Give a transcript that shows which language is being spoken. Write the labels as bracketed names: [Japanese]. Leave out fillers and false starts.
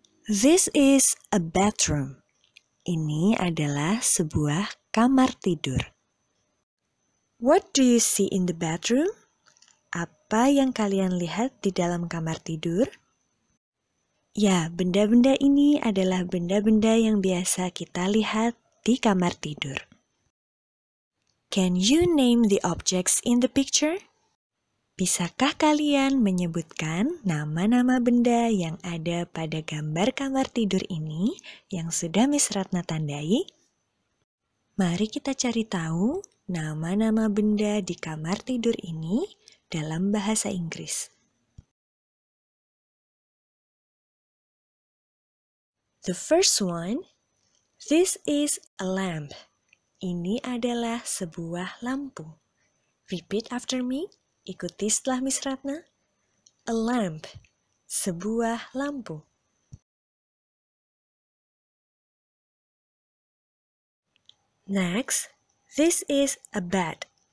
[English] This is a bedroom. [Indonesian] Ini adalah sebuah kamar tidur. [English] What do you see in the bedroom? [Indonesian] Apa yang kalian lihat di dalam kamar tidur? Ya, benda-benda ini adalah benda-benda yang biasa kita lihat di kamar tidur. [English] Can you name the objects in the picture? [Indonesian] Bisakah kalian menyebutkan nama-nama benda yang ada pada gambar kamar tidur ini yang sudah Miss Ratna tandai? Mari kita cari tahu nama-nama benda di kamar tidur ini dalam bahasa Inggris. [English] The first one, this is a lamp. [Indonesian] Ini adalah sebuah lampu. [English] Repeat after me. [Indonesian] Ikuti setelah Miss Ratna. [English] A lamp, [Indonesian] sebuah lampu. [English] Next, this is a bed.